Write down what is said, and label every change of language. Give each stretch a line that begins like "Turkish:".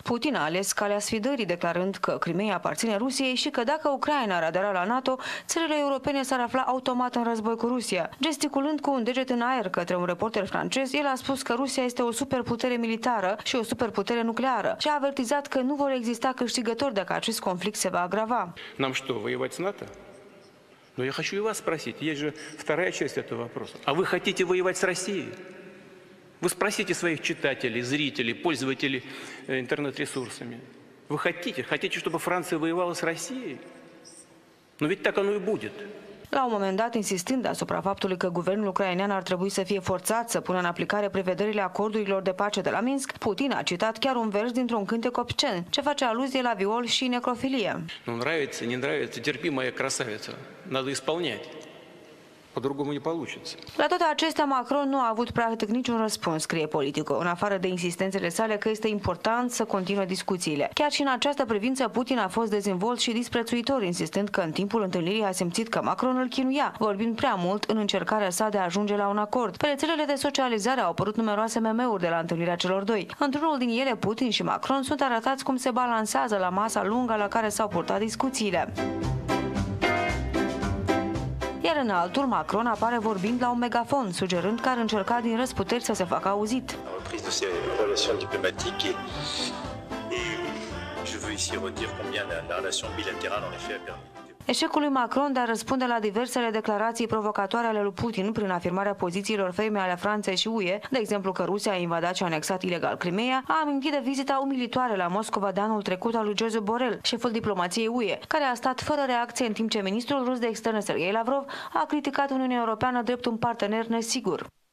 Romanian: Putin a ales calea sfidării, declarând că Crimeea aparține Rusiei și că dacă Ucraina ar adera la NATO, țările europene s-ar afla automat în război cu Rusia. Gesticulând cu un deget în aer către un reporter francez, el a spus că Rusia este o superputere militară și o superputere nucleară și a avertizat că nu vor exista câștigători dacă acest conflict se va agrava. N-am știu, vă evați NATO?
Russian: Но я хочу и вас спросить, есть же вторая часть этого вопроса. А вы хотите воевать с Россией? Вы спросите своих читателей, зрителей, пользователей интернет-ресурсами. Вы хотите? Хотите, чтобы Франция воевала с Россией? Но ведь так оно и будет.
Romanian: La un moment dat, insistând asupra faptului că guvernul ucrainean ar trebui să fie forțat să pună în aplicare prevederile acordurilor de pace de la Minsk, Putin a citat chiar un vers dintr-un cântec obscen, ce face aluzie la viol și necrofilie.
Russian: Nu нравится, не нравится, терпи, моя красавица. Надо исполнять.
Romanian: La toate acestea, Macron nu a avut practic niciun răspuns, scrie Politico, în afară de insistențele sale că este important să continue discuțiile. Chiar și în această privință, Putin a fost dezinvolt și disprețuitor, insistând că în timpul întâlnirii a simțit că Macron îl chinuia, vorbind prea mult în încercarea sa de a ajunge la un acord. Pe rețelele de socializare au apărut numeroase meme-uri de la întâlnirea celor doi. Într-unul din ele, Putin și Macron sunt arătați cum se balansează la masa lungă la care s-au purtat discuțiile. Iar în altul, Macron apare vorbind la un megafon, sugerând că ar încerca din răsputeri să se facă auzit.
French: La reprise de ces relations diplomatiques et je veux ici redire combien la relation bilatérale en effet a permis.
Romanian: Eșecul lui Macron de a răspunde la diversele declarații provocatoare ale lui Putin prin afirmarea pozițiilor ferme ale Franței și UE, de exemplu că Rusia a invadat și a anexat ilegal Crimeea, a amintit de vizita umilitoare la Moscova de anul trecut al lui Josep Borrell, șeful diplomației UE, care a stat fără reacție în timp ce ministrul rus de externe Sergei Lavrov a criticat Uniunea Europeană drept un partener nesigur.